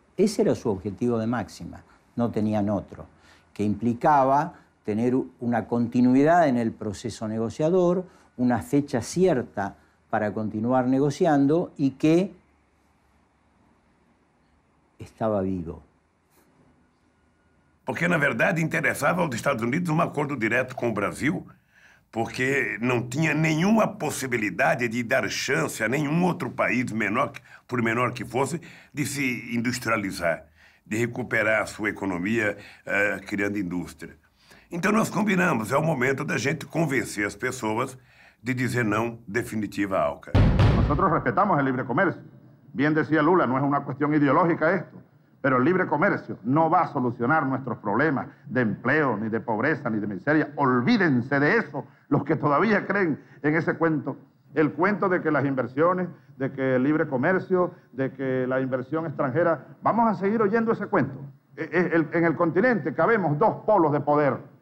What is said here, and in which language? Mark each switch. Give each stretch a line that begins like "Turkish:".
Spanish: Ese era su objetivo de máxima, no tenían otro, que implicaba tener una continuidad en el proceso negociador, una fecha cierta para continuar negociando y que estaba vivo.
Portuguese: Porque, na verdade, interessava aos Estados Unidos um acordo direto com o Brasil, porque não tinha nenhuma possibilidade de dar chance a nenhum outro país, por menor que fosse, de se industrializar, de recuperar a sua economia criando indústria. Então, nós combinamos, é o momento da gente convencer as pessoas de dizer não definitiva a AUKUS. Nós respeitamos o livre comércio. Bem dizia Lula, não é uma questão ideológica isto.
Spanish: Pero el libre comercio no va a solucionar nuestros problemas de empleo, ni de pobreza, ni de miseria. Olvídense de eso, los que todavía creen en ese cuento. El cuento de que las inversiones, de que el libre comercio, de que la inversión extranjera... Vamos a seguir oyendo ese cuento. En el continente cabemos dos polos de poder.